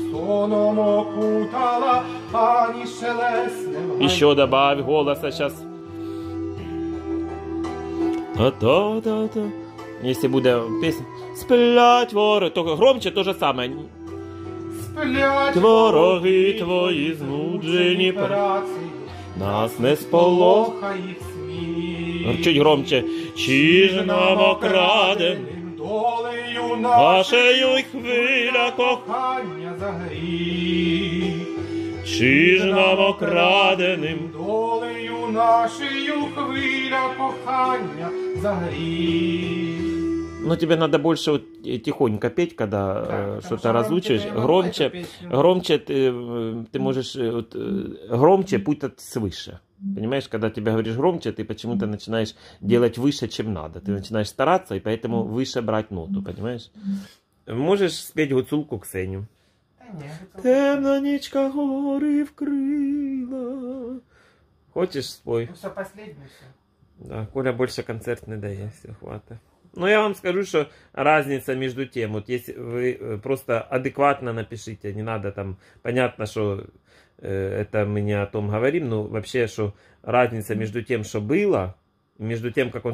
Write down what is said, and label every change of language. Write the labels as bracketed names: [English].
[Ukrainian] Соном окутала, ані шелесне. [Russian] Еще добавь голоса сейчас. Та-та-та-та. Если будет песня. Сплять воры, то громче то же самое. [Ukrainian] Сплять вороги твои, знуджені праці, нас не сполохає сміх. [Russian] Чуть громче. [Ukrainian] Чи ж нам окраденим долею нашою хвиля кохання за гріх? Чи ж нам окраденим долею нашою хвиля кохання за гріх? [Russian] Ну, тебе надо больше вот тихонько петь, когда что-то разучиваешь. Громче, громче ты можешь, вот, громче путать свыше. Понимаешь, когда тебе говоришь громче, ты почему-то начинаешь делать выше, чем надо. Ты начинаешь стараться, и поэтому выше брать ноту, понимаешь? Можешь спеть гуцулку, Ксеню? [Ukrainian] Темна нічка гори вкрила. [Russian] Хочешь, спой? Все последнее. Да, Коля больше концерт не дает, все, хватит. Но я вам скажу, что разница между тем, вот если вы просто адекватно напишите, не надо там, понятно, что это мы не о том говорим, но вообще, что разница между тем, что было, между тем, как он